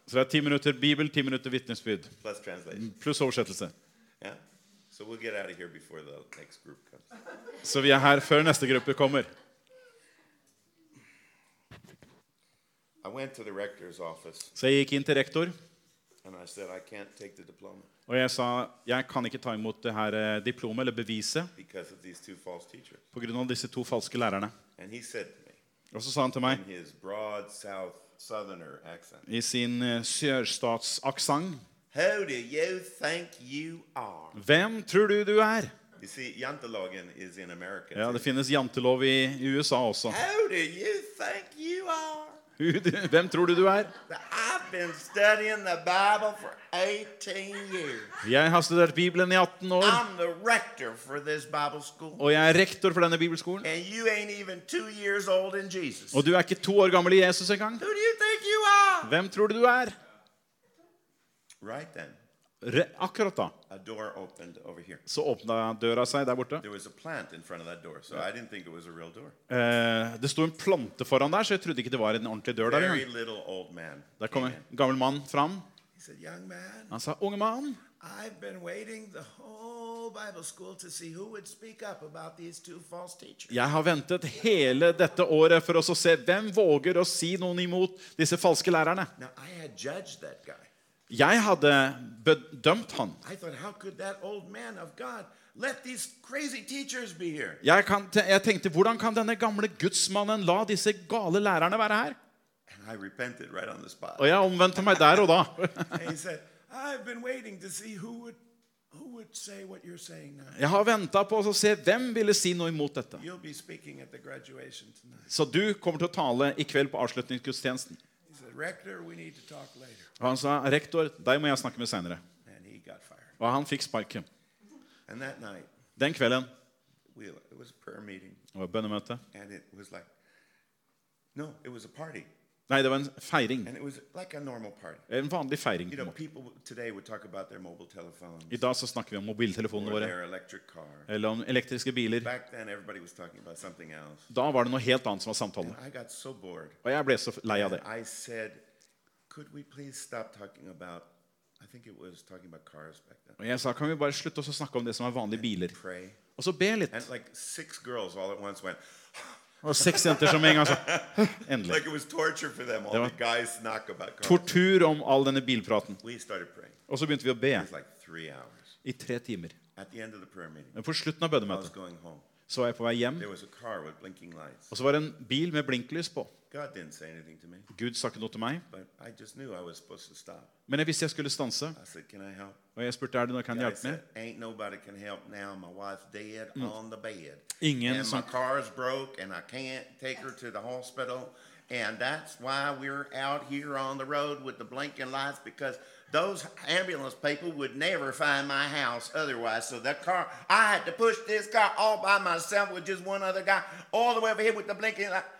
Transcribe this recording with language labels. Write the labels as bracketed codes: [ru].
[no] Så det 10 minutter Bibel, 10 minutter vitnesbyrd. [en] Plus translation. [no] Plus oversettelse. [en] Yeah. So we'll get out of here before the next group comes. [no] Så vi her før neste gruppe kommer. [en] I went to the rector's office. [no] Så jeg gikk inn til rektor. [en] And I said I can't take the diploma. [no] Og jeg sa, jeg kan ikke ta imot det her diplomet eller beviset på grunn av disse to falske lærerne. Og så sa han til meg, i sin sørstatsaksang, hvem tror du du er? [en] You see, Jantelagen is in America. [no] Ja, det finnes jantelov I USA også. Hvem tror du er? [en] I've been studying the Bible for 18 years. [no] Jeg har studert Bibelen I 18 år. [en] I'm the rector for this Bible school. [no] Og jeg rektor for denne bibelskolen. [en] And you ain't even 2 years old in Jesus. [no] Og du ikke 2 år gammel I Jesus engang. [en] Who do you think you are? [no] Hvem tror du [en] Right then. [no] Akkurat da. [en] A door opened over here. [no] Så åpnet døra seg der borte. [en] There was a plant in front of that door, so I didn't think it was a real door. [no] Det sto en plante foran der, så jeg trodde ikke det var en ordentlig dør [en] der. Very little old man. [no] Der kom en gammel mann fram. [en] He said, "Young man." [no] Han sa, "Unge mann." [en] I've been waiting the whole Bible school to see who would speak up about these two false teachers. [no] Jeg har ventet hele dette året for å se hvem våger å si noen imot disse falske lærerne. [en] Now I had judged that guy. [no] Jeg hadde bedømt han. [en] I thought, how could that old man of God let these crazy teachers be here? [no] Jeg tenkte, hvordan kan denne gamle gudsmannen la disse gale lærerne være her? [en] And I repented right on the spot. [no] Og jeg omvendte meg der og da. [en] And he said, I've been waiting to see who would say what you're saying now. [no] Jeg har ventet på å se hvem ville si noe imot dette. [en] You'll be speaking at the graduation tonight. [no] Så du kommer til å tale I kveld på avslutningsgudstjenesten. [en] Rector, we need to talk later. [no] Han sa, rektor, deg må jeg snakke med senere. [en] And he got fired. [no] Og han fikk sparken. [en] And that night. [no] Den kvelden. [en] It was a prayer meeting. [no] Det var bønnemøte. [en] And it was like, no, it was a party. [no] Nei, det var en feiring. [en] And it was like a normal party. [no] En vanlig feiring. [en] You know, people today would talk about their mobile telephones. [no] I dag så snakker vi om mobiltelefonene våre. [en] Or their electric car. [no] Eller om elektriske biler. [en] Back then, everybody was talking about something else. [no] Da var det noe helt annet som var samtalen. [en] And I got so bored. [no] Og jeg ble så lei av det. [en] I said, could we please stop talking about, I think it was talking about cars back then. [no] Og jeg sa, kan vi bare slutte oss å snakke om det som vanlige biler? [en] And pray. [no] Og så be litt. [en] And like 6 girls all at once went, [no] Og 6 jenter som en gang sa, endelig. [en] Like it was torture for them, all the guys snack about cars. [no] Tortur om all denne bilpraten. [en] We started praying. [no] Og så begynte vi å be. [en] It was like 3 hours. [no] I 3 timer. [en] At the end of the prayer meeting. [no] På slutten av bønnemøtet. [en] I was going home. [no] Så var jeg på vei hjem. [en] There was a car with blinking lights. [no] Og så var det en bil med blinklys på. [en] God didn't say anything to me. [no] Gud sa ikke noe til meg. [en] But I just knew I was supposed to stop. [no] Men jeg visste jeg skulle stanse. [en] I said, can I help? [no] Og jeg spurte, det noe kan hjelpe meg? [en] Ain't nobody can help now. My wife's dead on the bed. [no] Ingen som... [en] And my car's broke and I can't take her to the hospital. And that's why we're out here on the road with the blinking lights because those ambulance people would never find my house otherwise. So that car, I had to push this car all by myself with just one other guy all the way over here with the blinking light.